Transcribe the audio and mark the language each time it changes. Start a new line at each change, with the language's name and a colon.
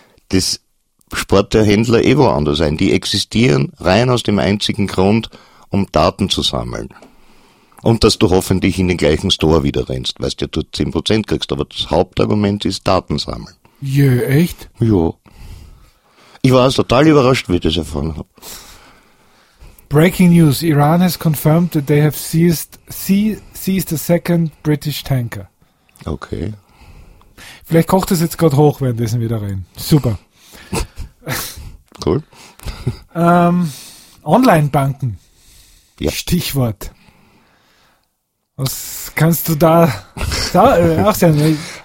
German: Das spart der Händler eh woanders ein. Die existieren rein aus dem einzigen Grund, um Daten zu sammeln. Und dass du hoffentlich in den gleichen Store wieder rennst, weil du ja dort 10% kriegst. Aber das Hauptargument ist Daten sammeln. Jö, echt? Ja. Ich war total überrascht, wie ich das erfahren habe.
English: Breaking News. Iran has confirmed that they have seized a second British tanker. Okay.
German: Vielleicht kocht es jetzt gerade hoch, währenddessen wieder rein. Super. Cool. Online-Banken. Ja. Stichwort. Was kannst du da auch sagen?